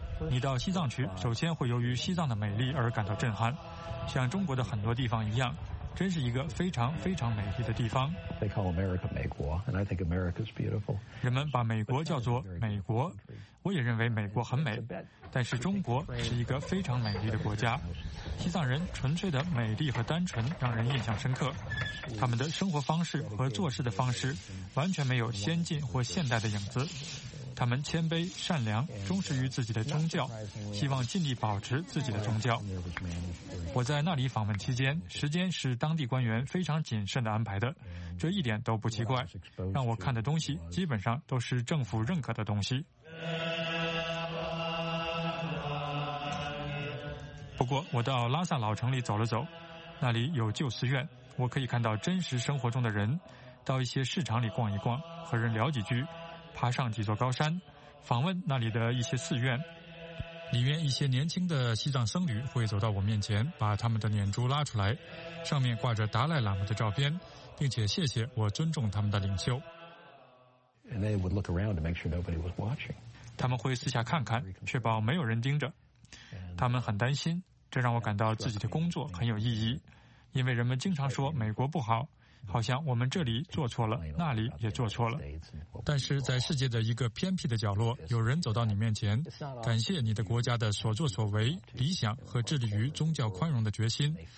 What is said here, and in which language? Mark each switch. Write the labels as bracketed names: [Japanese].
[Chinese] 你到西藏去，首先会由于西藏的美丽而感到震撼，像中国的很多地方一样，真是一个非常非常美丽的地方。 [English] They call America 美国 and I think America's beautiful. [Chinese] 人们把美国叫做美国，我也认为美国很美，但是中国是一个非常美丽的国家。西藏人纯粹的美丽和单纯让人印象深刻，他们的生活方式和做事的方式完全没有先进或现代的影子。他们谦卑、善良、忠实于自己的宗教，希望尽力保持自己的宗教。我在那里访问期间，时间是当地官员非常谨慎地安排的，这一点都不奇怪。让我看的东西基本上都是政府认可的东西。不过，我到拉萨老城里走了走，那里有旧寺院，我可以看到真实生活中的人，到一些市场里逛一逛，和人聊几句。爬上几座高山，访问那里的一些寺院，里面一些年轻的西藏僧侣会走到我面前，把他们的念珠拉出来，上面挂着达赖喇嘛的照片，并且谢谢我尊重他们的领袖。 [English] And they would look around to make sure nobody was watching. [Chinese] 他们会四下看看，确保没有人盯着。他们很担心，这让我感到自己的工作很有意义，因为人们经常说美国不好。好像我们这里做错了，那里也做错了。但是在世界的一个偏僻的角落，有人走到你面前，感谢你的国家的所作所为、理想和致力于宗教宽容的决心。